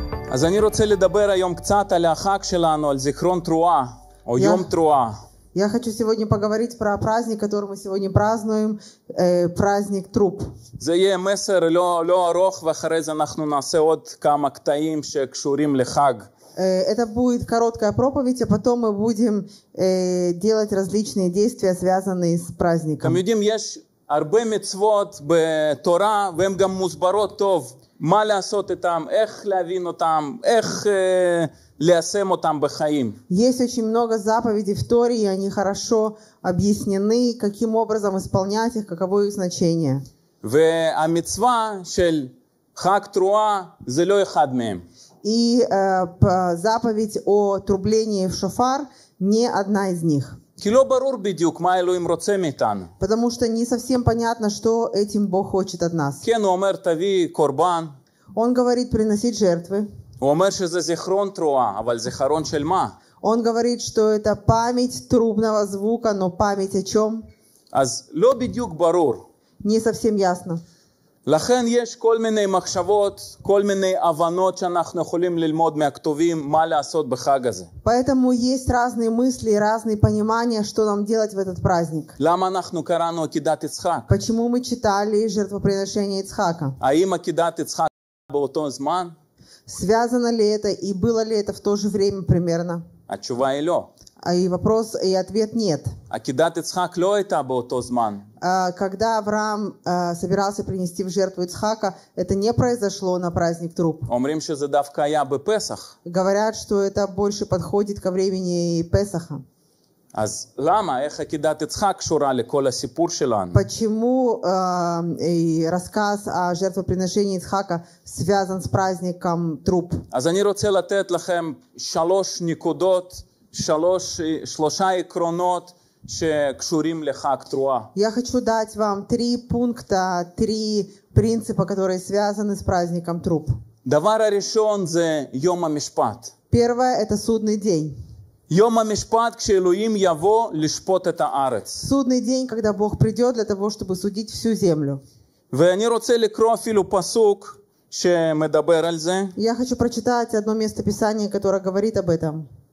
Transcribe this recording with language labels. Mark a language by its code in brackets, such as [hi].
[he] אז אני רוצה לדבר היום קצת על החג שלנו, על זיכרון תרועה, או יום תרועה. [ru] Я хочу сегодня поговорить про праздник, который мы сегодня празднуем, праздник труб. Это будет короткая проповедь, а потом мы будем делать различные действия, связанные с праздником. Людям есть [he] הרבה מצוות בתורה, והן גם מוסברות טוב מה לעשות איתם, איך להבין אותם, איך ליישם אותם בחיים. [ru] Есть очень много заповедей в Торе, и они хорошо объяснены, каким образом исполнять их, каково их значение. [he] והמצווה של חג תרועה זה לא אחד מהם. [ru] И заповедь о трублении в шофар не одна из них. [he] כי לא ברור בדיוק מה אלוהים רוצה מאיתנו. [ru] Потому что не совсем понятно, что этим Бог хочет от нас. [he] כן, הוא אומר, תביא קורבן. [ru] Он говорит, приносить жертвы. [he] הוא אומר שזה זיכרון תרועה, אבל זיכרון של מה? [ru] Он говорит, что это память трубного звука, но память о чем? [he] אז לא בדיוק ברור. [ru] Не совсем ясно. [he] לכן יש כל מיני מחשבות, כל מיני הבנות שאנחנו יכולים ללמוד מהכתובים מה לעשות בחג הזה. [ru] Поэтому есть разные мысли, разные понимания, что нам делать в этот праздник. [he] למה אנחנו קראנו עקידת יצחק? [ru] Почему мы читали жертвоприношение Ицхака? [he] האם עקידת יצחק באותו זמן? [ru] Связано ли это и было ли это в то же время примерно? [he] התשובה היא לא. [ru] И вопрос, и ответ нет. [he] עקידת יצחק לא הייתה באותו זמן. [ru] Когда Авраам собирался принести в жертву Ицхака, это не произошло на праздник труб. Омрим, что задавка я бы Песах. Говорят, что это больше подходит ко времени Песаха. [he] אז למה? איך עקידת יצחק קשורה לכל הסיפור שלנו? [ru] Почему рассказ о жертвоприношении Ицхака связан с праздником труб? [he] אז אני רוצה לתת לכם שלוש נקודות, שלושה עקרונות, שקשורים לחג תרועה. [ru] Я хочу дать вам три пункта, три принципа, которые связаны с праздником труб. [he] דבר הראשון זה יום המשפט. [ru] Первое – это судный день. [he] יום המשפט כשאלוהים יבוא לשפוט את הארץ. [ru] Судный день, когда Бог придет для того, чтобы судить всю землю. [he] ואני רוצה לקרוא אפילו פסוק שמדבר על זה. [ru] Я хочу прочитать одно место писания, которое говорит об этом.